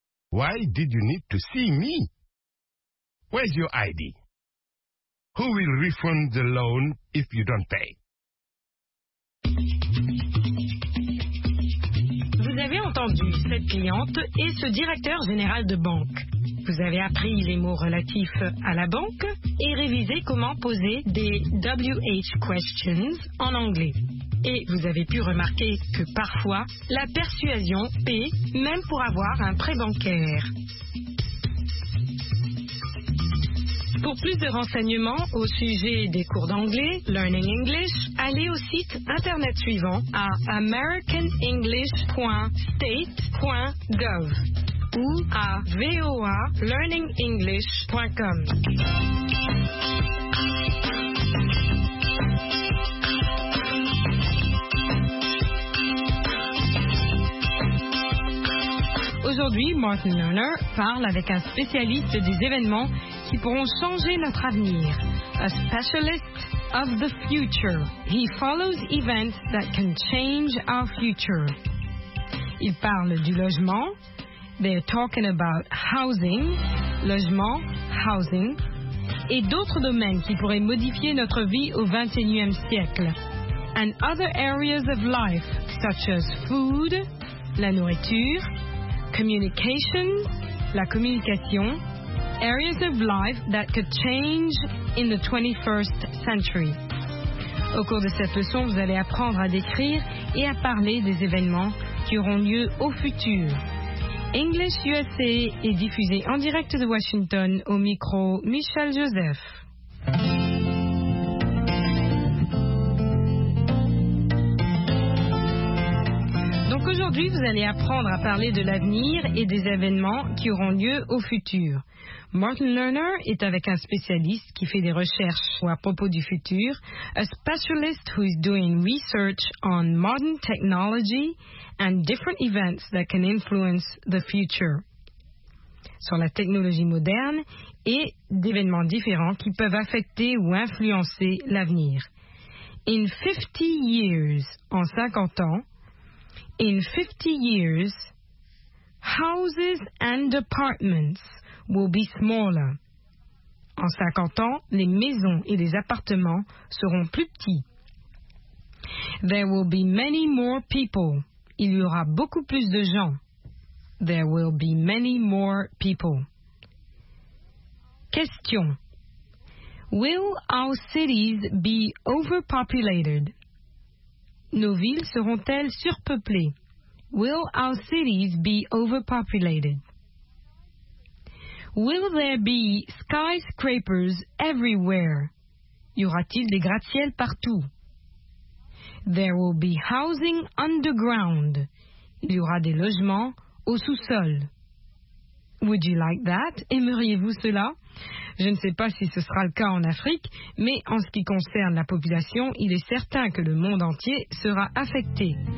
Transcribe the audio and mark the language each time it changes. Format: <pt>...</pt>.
<en>Why did you need to see me? Where's your ID? Who will refund the loan if you don't pay?</en> <fr>Vous avez entendu cette cliente et ce directeur général de banque. Vous avez appris les mots relatifs à la banque et révisé comment poser des WH questions en anglais. Et vous avez pu remarquer que parfois, la persuasion paie même pour avoir un prêt bancaire. Pour plus de renseignements au sujet des cours d'anglais, Learning English, allez au site internet suivant à americanenglish.state.gov ou à voalearningenglish.com. Aujourd'hui, Martin Lerner parle avec un spécialiste des événements qui pourront changer notre avenir.</fr> <en>A specialist of the future. He follows events that can change our future.</en> <fr>Il parle du logement.</fr> <en>They're talking about housing,</en> <fr>logement,</fr> <en>housing,</en> <fr>et d'autres domaines qui pourraient modifier notre vie au 21e siècle.</fr> <en>And other areas of life, such as food,</en> <fr>la nourriture,</fr> <en>communication,</en> <fr>la communication,</fr> <en>areas of life that could change in the 21st century.</en> <fr>Au cours de cette leçon, vous allez apprendre à décrire et à parler des événements qui auront lieu au futur. English USA est diffusé en direct de Washington au micro Michel Joseph. Donc aujourd'hui, vous allez apprendre à parler de l'avenir et des événements qui auront lieu au futur. Martin Lerner est avec un spécialiste qui fait des recherches à propos du futur,</fr> <en>a specialist who is doing research on modern technology and different events that can influence the future,</en> <fr>sur la technologie moderne et d'événements différents qui peuvent affecter ou influencer l'avenir.</fr> <en>In 50 years,</en> <fr>en 50 ans,</fr> <en>in 50 years, houses and apartments will be smaller.</en> <fr>En 50 ans, les maisons et les appartements seront plus petits.</fr> <en>There will be many more people.</en> <fr>Il y aura beaucoup plus de gens.</fr> <en>There will be many more people. Question. Will our cities be overpopulated?</en> <fr>Nos villes seront-elles surpeuplées?</fr> <en>Will our cities be overpopulated? Will there be skyscrapers everywhere?</en> <fr>Y aura-t-il des gratte-ciels partout?</fr> <en>There will be housing underground.</en> <fr>Il y aura des logements au sous-sol.</fr> <en>Would you like that?</en> <fr>Aimeriez-vous cela? Je ne sais pas si ce sera le cas en Afrique, mais en ce qui concerne la population, il est certain que le monde entier sera affecté.</fr>